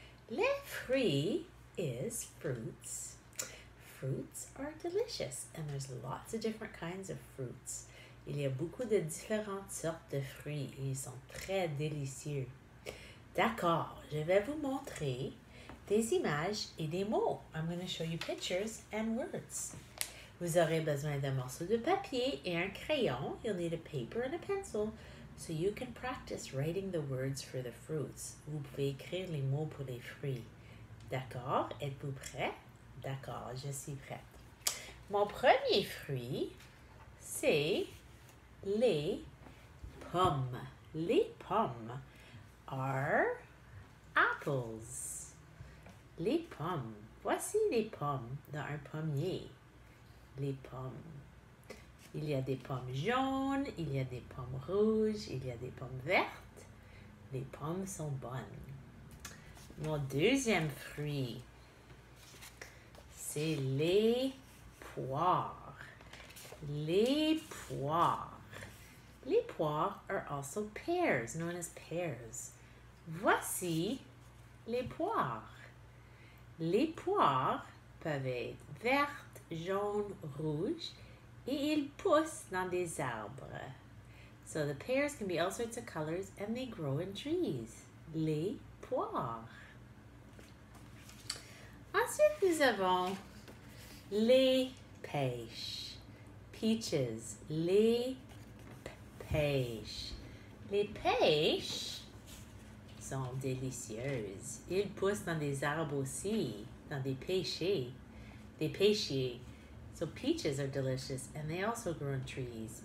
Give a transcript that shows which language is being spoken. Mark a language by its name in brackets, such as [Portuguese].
[English] Les fruits is fruits. Fruits are delicious and there's lots of different kinds of fruits. [French] Il y a beaucoup de différentes sortes de fruits et ils sont très délicieux. D'accord, je vais vous montrer des images et des mots. [English] I'm going to show you pictures and words. [French] Vous aurez besoin d'un morceau de papier et un crayon. [English] You'll need a paper and a pencil so you can practice writing the words for the fruits. [French] Vous pouvez écrire les mots pour les fruits. D'accord, êtes-vous prêt? D'accord, je suis prête. Mon premier fruit, c'est les pommes. Les pommes. [English] Are apples. [French] Les pommes. Voici les pommes dans un pommier. Les pommes. Il y a des pommes jaunes, il y a des pommes rouges, il y a des pommes vertes. Les pommes sont bonnes. Mon deuxième fruit, c'est les poires. Les poires. Les poires [English] are also pears, known as pears. [French] Voici les poires. Les poires peuvent être vertes, jaunes, rouges et ils poussent dans des arbres. [English] So the pears can be all sorts of colors and they grow in trees. [French] Les poires. Ensuite, nous avons les pêches. Peaches. Les pêches. Les pêches sont délicieuses. Ils poussent dans des arbres aussi, dans des pêchers. Des pêchers. [English] So peaches are delicious and they also grow in trees.